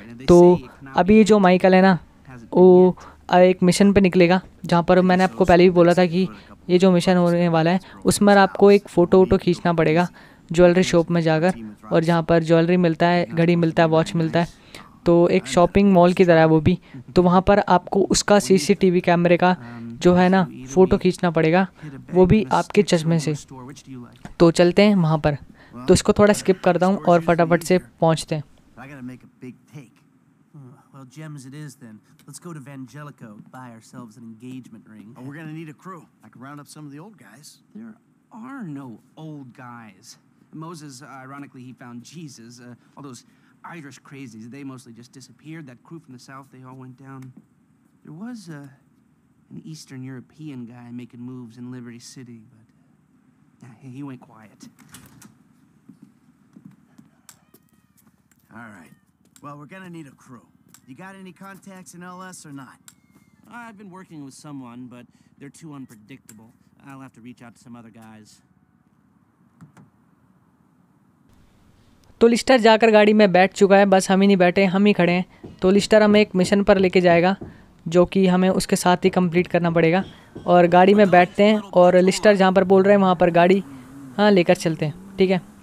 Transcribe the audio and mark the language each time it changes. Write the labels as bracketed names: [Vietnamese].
[Hindi] तो अभी जो माइकल है ना वो एक मिशन पर निकलेगा, जहाँ पर मैंने आपको पहले भी बोला था कि ये जो मिशन होने वाला है उसमें आपको एक फ़ोटो वोटो खींचना पड़ेगा ज्वेलरी शॉप में जाकर, और जहाँ पर ज्वेलरी मिलता है, घड़ी मिलता है, वॉच मिलता है, तो एक शॉपिंग मॉल की तरह है वो भी। तो वहाँ पर आपको उसका CCTV कैमरे का जो है ना फ़ोटो खींचना पड़ेगा, वो भी आपके चश्मे से। तो चलते हैं वहाँ पर, तो इसको थोड़ा स्किप करता हूँ और फटाफट से पहुँचते हैं। [English] Well, gems it is then. Let's go to Vangelico, buy ourselves an engagement ring. Oh, we're gonna need a crew. I can round up some of the old guys. There are no old guys. Moses, ironically, he found Jesus. All those Irish crazies, they mostly just disappeared. That crew from the south, they all went down. There was an Eastern European guy making moves in Liberty City, but he went quiet. All right. Well, we're gonna need a crew. You got any contacts in LS or not? I've been working with someone, but they're too unpredictable. I'll have to reach out to some other guys. [Hindi] तो Leicester जाकर गाड़ी में बैठ चुका है, बस हम ही नहीं बैठे, हम ही खड़े हैं। तो लिस्टर हमें एक मिशन पर लेके जाएगा जो कि हमें उसके साथ ही कंप्लीट करना पड़ेगा। और गाड़ी में बैठते हैं और लिस्टर जहाँ पर बोल रहे हैं वहाँ पर गाड़ी हाँ लेकर चलते हैं ठीक है।